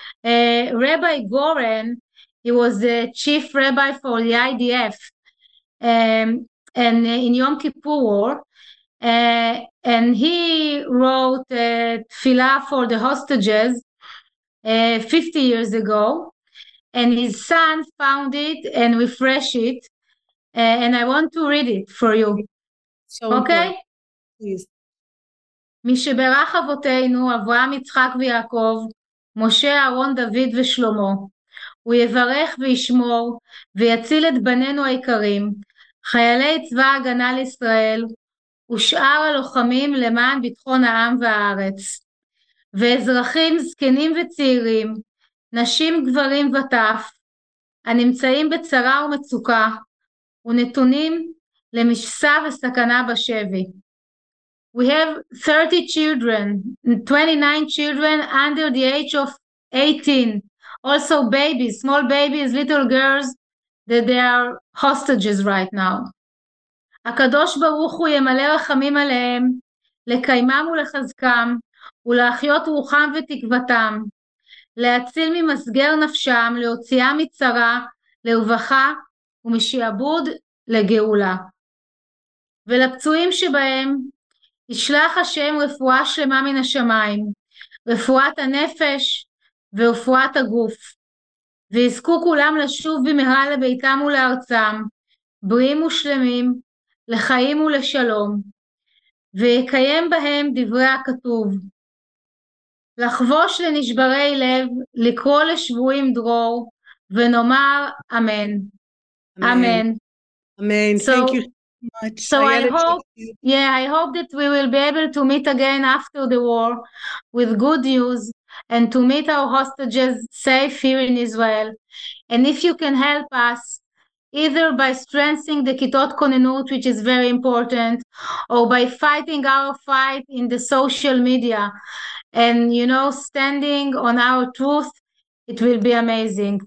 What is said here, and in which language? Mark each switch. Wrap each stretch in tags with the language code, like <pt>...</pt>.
<en>Rabbi Goren, he was the chief rabbi for the IDF, and in Yom Kippur War, and he wrote a tefillah for the hostages 50 years ago. And his son found it and refreshed it. And I want to read it for you. So okay? Please.</en> <he>מי שברך אבותינו, אברהם, יצחק ויעקב, משה, אהרון, דוד ושלמה, הוא יברך וישמור ויציל את בנינו היקרים, חיילי צבא הגנה לישראל, ושאר הלוחמים למען ביטחון העם והארץ, ואזרחים זקנים וצעירים, נשים, גברים וטף, הנמצאים בצרה ומצוקה, ונתונים למשסה וסכנה בשבי.</he> <en>We have 30 children, 29 children under the age of 18. Also babies, small babies, little girls, that they are hostages right now.</en> <he>הקדוש ברוך הוא ימלא רחמים עליהם, לקיימם ולחזקם, ולהחיות רוחם ותקוותם. להציל ממסגר נפשם, להוציאה מצרה, להובחה ומשעבוד לגאולה. ולפצועים שבהם, ישלח השם רפואה שלמה מן השמיים, רפואת הנפש ורפואת הגוף. ויזכו כולם לשוב במהרה לביתם ולארצם, בריאים ושלמים, לחיים ולשלום, ויקיים בהם דברי הכתוב. לחבוש לנשברי לב, לקרוא לשבועים דרור, ונאמר אמן. אמן. אמן.</he> <en>Thank you so much. So I hope that we will be able to meet again after the war with good news and to meet our hostages safe here in Israel. And if you can help us, either by strengthening the Kitot Konnenut, which is very important, or by fighting our fight in the social media and, you know, standing on our truth, it will be amazing.</en>